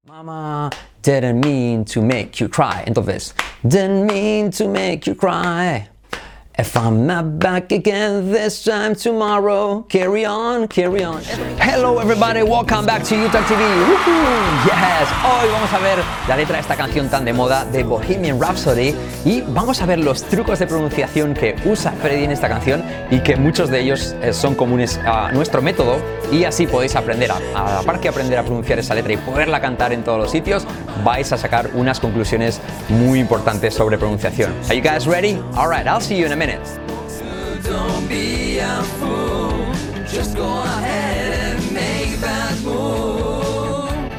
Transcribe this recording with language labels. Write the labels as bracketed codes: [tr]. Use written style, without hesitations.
[en] Mama, didn't mean to make you cry. Entonces, didn't mean to make you cry. If I'm not back again this time tomorrow, carry on, carry on. Hello everybody, welcome back to Utah TV. Woohoo! [es] Yes, hoy vamos a ver la letra de esta canción tan de moda de Bohemian Rhapsody y vamos a ver los trucos de pronunciación que usa Freddie en esta canción y que muchos de ellos son comunes a nuestro método y así podéis aprender, a la par que aprender a pronunciar esa letra y poderla cantar en todos los sitios, vais a sacar unas conclusiones muy importantes sobre pronunciación. [en] Are you guys ready? All right, I'll see you in a minute. Don't be a fool, just go ahead and make that move.